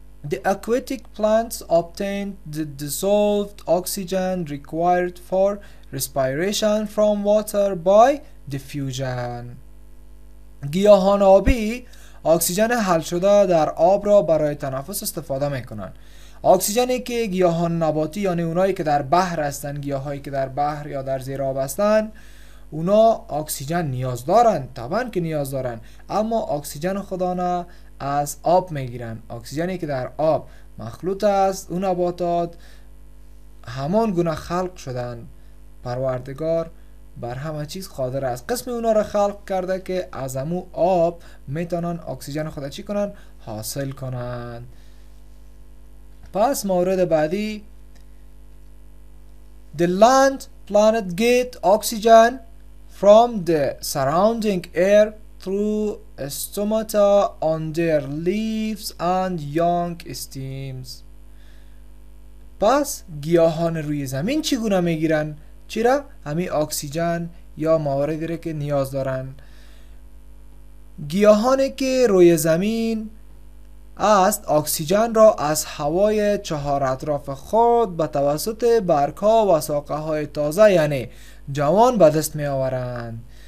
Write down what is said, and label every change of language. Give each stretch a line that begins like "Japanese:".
English: The aquatic plants obtain the dissolved oxygen required for respiration from water by diffusion.
Persian: گیاهان آبی اکسیژن حل شده در آب را برای تنفس استفاده میکنن. اکسیژنی که گیاهان نباتی یعنی اونایی که در بحر هستن، گیاهایی که در بحر یا در زیر آب هستن، اونا اکسیژن نیاز دارن، طبعا که نیاز دارن، اما اکسیژن خودانا از آب میگیرن. اکسیژنی که در آب مخلوط است، اون نباتات همان گونه خلق شدن. پروردگار بر همه چیز قادر است. قسم اونا را خلق کرده که از امو آب میتونن اکسیژن خود چی کنن؟ حاصل کنن. پس مورد بعدی،
English: The land planet get oxygen from the surrounding air through stomata on their leaves and young stems.
Persian: پس گیاهان روی زمین چگونه میگیرن؟ چرا؟ همی اکسیژن یا مواردی را که نیاز دارن. گیاهانی که روی زمین است اکسیژن را از هوای چهار اطراف خود به توسط برک ها و ساقه های تازه یعنی جوان به دست می آورند.